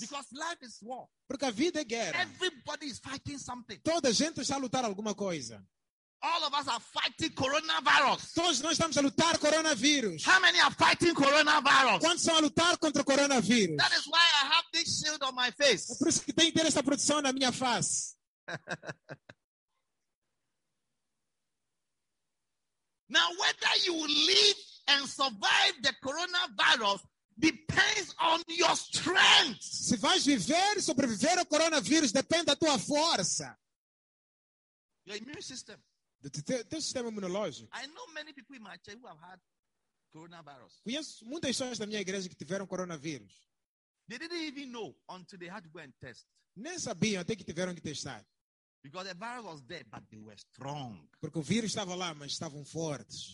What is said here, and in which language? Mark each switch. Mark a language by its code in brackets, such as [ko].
[en] Because life is war. [pt] Porque a vida é guerra. [en] Everybody is fighting something. [pt] Toda gente está a lutar alguma coisa. [en] All of us are fighting coronavirus. [pt] Todos nós estamos a lutar coronavírus. [en] How many are fighting coronavirus? [pt] Quantos estão a lutar contra o coronavírus? [en] That is why I have this shield on my face. [pt] É por isso que tenho essa proteção na minha face. [en] Now, whether you live and survive the coronavirus depends on your strength. [pt] Se vais viver e sobreviver ao coronavírus depende da tua força. [en] Your immune system. [pt] Teu sistema imunológico. [en] I know many people in my church who have had coronavirus. [pt] Conheço muitas pessoas da minha igreja que tiveram coronavírus. [en] They didn't even know until they had to go and test. [pt] Nem sabiam até que tiveram que testar. [en] Because the virus was there, but they were strong. [pt] Porque o vírus estava lá, mas estavam fortes.